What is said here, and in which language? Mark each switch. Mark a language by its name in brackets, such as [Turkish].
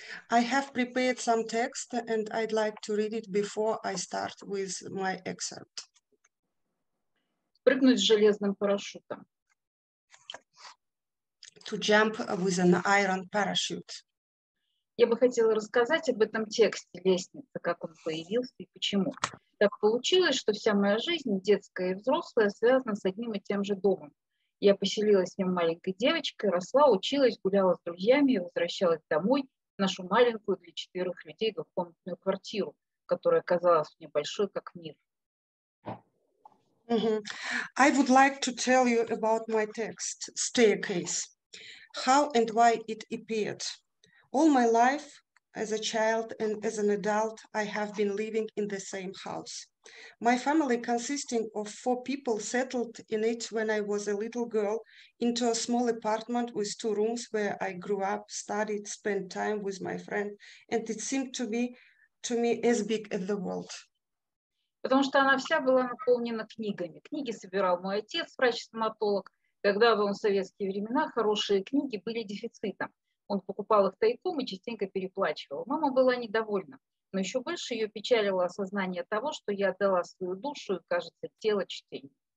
[English] I have prepared some text and I'd like to read it before I start with my excerpt. [Russian] Прыгнуть с железным парашютом. [English] To jump with an iron parachute. [Russian] Я бы хотела рассказать об этом тексте «Лестница», как он появился и почему. Так получилось, что вся моя жизнь, детская и взрослая, связана с одним и тем же домом. Я поселилась с ним маленькой девочкой, росла, училась, гуляла с друзьями и возвращалась домой. Нашу маленькую для четверых людей двухкомнатную квартиру, которая казалась мне большой, как мир. Mm-hmm. [English] I would like to tell you about my text, Staircase. How and why it appeared. All my life, as a child and as an adult, I have been living in the same house. My family, consisting of four people, settled in it when I was a little girl into a small apartment with two rooms where I grew up, studied, spent time with my friend, and it seemed to be to me as big as the world. [Russian] Потому что она вся была наполнена книгами. Книги собирал мой отец, врач-стоматолог. Когда в советские времена хорошие книги были дефицитом. Он покупал их тайком и частенько переплачивал. Мама была недовольна, но еще больше ее печалило осознание того, что я отдала свою душу и, кажется, тело чтению.